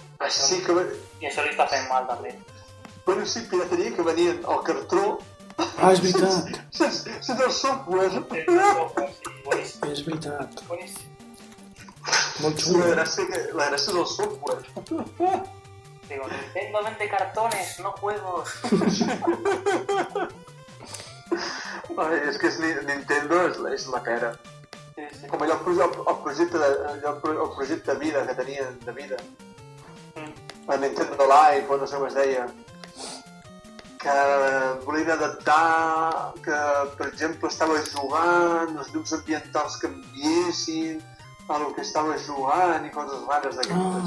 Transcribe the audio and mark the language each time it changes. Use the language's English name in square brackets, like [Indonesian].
[Catalan] Sí, que... I això li està fent mal, també. Bueno, sí, pirateria que venia al cartró... Ah, és veritat. Sense el software. És veritat. És veritat. Molt xulo. La gràcia és el software. [Spanish] Digo, Nintendo vende cartones, no juegos. [Catalan] Ai, és que Nintendo és la pera. Sí, sí. Com el projecte de vida que tenien de vida. La Nintendo Life, no sé com es deia. Que volien adaptar, que per exemple estava jugant, els llums ambientals canviessin al que estava jugant i coses rares d'aquestes.